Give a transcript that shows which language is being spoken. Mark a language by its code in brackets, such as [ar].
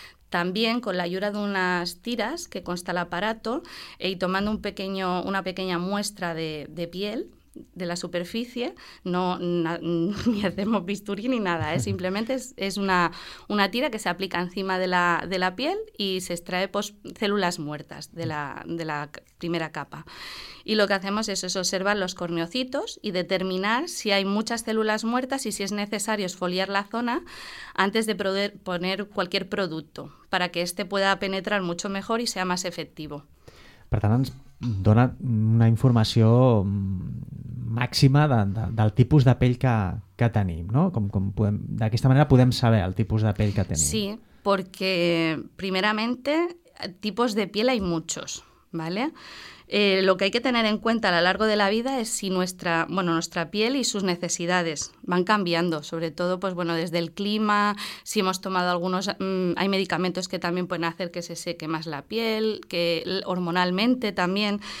[es] También con la ayuda de unas tiras que consta el aparato y tomando una pequeña muestra de piel de la superficie, ni hacemos bisturí ni nada, simplemente es una tira que se aplica encima de la piel y se extrae pues células muertas de la primera capa. Y lo que hacemos es observar los corneocitos y determinar si hay muchas células muertas y si es necesario exfoliar la zona antes de poner cualquier producto para que este pueda penetrar mucho mejor y sea más efectivo. [ca] Per tant, dona una informació màxima del tipus de pell que tenim, no? Com podem, d'aquesta manera podem saber el tipus de pell que tenim. [es] Sí, porque primeramente tipos de piel hay muchos, ¿vale? Lo que hay que tener en cuenta a lo largo de la vida es si nuestra piel y sus necesidades van cambiando, sobre todo pues bueno, desde el clima, si hemos tomado algunos, hay medicamentos que también pueden hacer que se seque más la piel, que hormonalmente también.